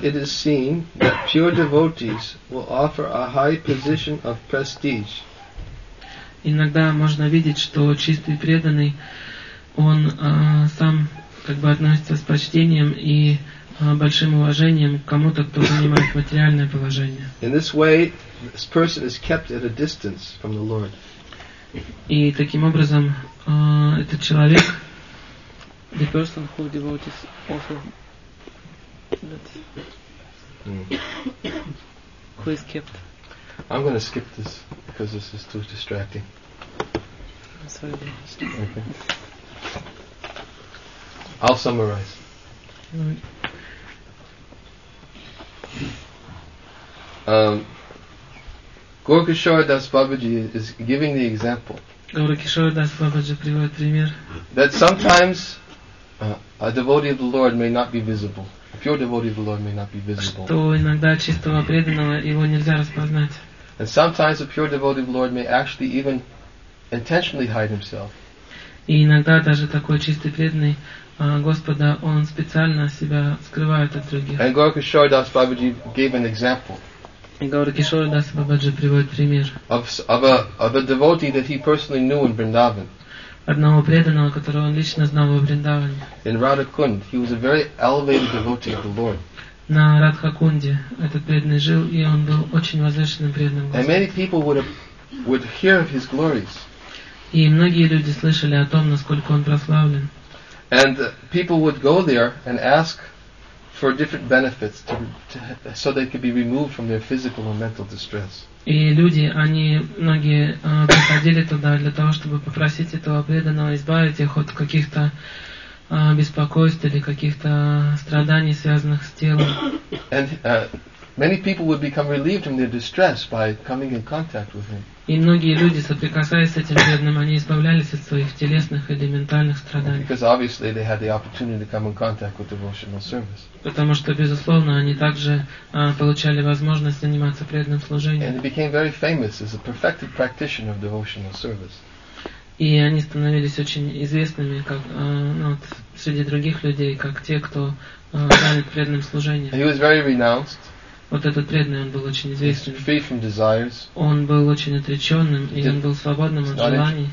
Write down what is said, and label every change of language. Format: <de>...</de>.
<en>it is seen that pure devotees will offer a high position of prestige.</en> <ru>Иногда можно видеть, что чистый преданный, он сам как бы относится с почтением и большим уважением к кому-то, кто занимает материальное положение.</ru> <en>In this way, this person is kept at a distance from the Lord.</en> <ru>И таким образом, этот человек,</ru> <en>the person who devotees offer, who is kept. I'm going to skip this because this is too distracting. Sorry. Okay. I'll summarize. Guru Kishore Das Babaji is giving the example.</en> <ru>Guru Kishore Das Babaji приводит пример.</ru> <en>That sometimes a devotee of the Lord may not be visible. A pure devotee of the Lord may not be visible.</en> <ru>Что иногда чистого преданного его нельзя распознать.</ru> <en>And sometimes a pure devotee of the Lord may actually even intentionally hide himself.</en> <ru>И иногда даже такой чистый преданный Господа, он специально себя скрывает от других.</ru> <en>And Guru Kishore Das Babaji gave an example.</en> <ru>Говорит, Кишора Дас Бабаджи приводит пример.</ru> <en>Of a devotee that he personally knew in Vrindavan.</en> <ru>Одного преданного, которого он лично знал во Вриндаване.</ru> <en>In Radhakund, he was a very elevated devotee of the Lord.</en> <ru>На Радхакунде этот преданный жил, и он был очень возвышенным преданным.</ru> <en>And many people would hear of his glories.</en> <ru>И многие люди слышали о том, насколько он прославлен.</ru> <en>And people would go there and ask for different benefits to so they could be removed from their physical and mental distress.</en> <ru>И люди, они многие приходили туда для того, чтобы попросить этого преданного избавить их от каких-то беспокойств или каких-то страданий, связанных с телом.</ru> <en>And many people would become relieved from their distress by coming in contact with him.</en> <ru>И многие люди, соприкасаясь с этим бедным, они избавлялись от своих телесных или ментальных страданий.</ru> <en>Because obviously they had the opportunity to come in contact with devotional service.</en> <ru>Потому что, безусловно, они также получали возможность заниматься преданным служением.</ru> <en>And he became very famous as a perfected practitioner of devotional service.</en> <ru>И они становились очень известными как, вот, среди других людей, как те, кто занят преданным служением.</ru> <en>He was very renounced.</en> <ru>Вот этот преданный, он был очень известен.</ru> <en>Free from desires.</en> <ru>Он был очень отреченным, и он был свободным от желаний.</ru>